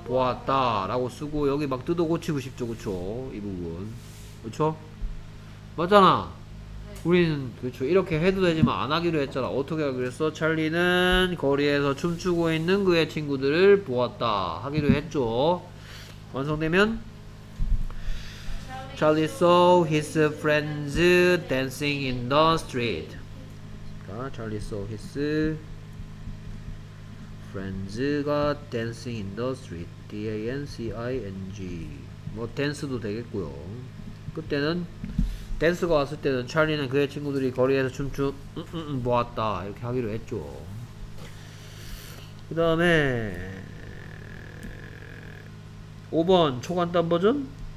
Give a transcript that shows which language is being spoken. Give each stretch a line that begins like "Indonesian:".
Korean: 보았다 라고 쓰고 여기 막 뜯어 고치고 싶죠. 그쵸? 이 부분 그쵸? 맞잖아. 우리는 그쵸 이렇게 해도 되지만 안 하기로 했잖아. 어떻게 하기로 했어? 찰리는 거리에서 춤추고 있는 그의 친구들을 보았다 하기로 했죠. 완성되면
English: Charlie saw his friends dancing in the street. Charlie saw his friends dancing in the street.
Korean: D-A-N-C-I-N-G. 뭐 댄스도 되겠고요. 그때는 댄스가 왔을 때는 찰리는 그의 친구들이 거리에서 보았다 이렇게 하기로 했죠. 그 다음에 5번 초간단 버전.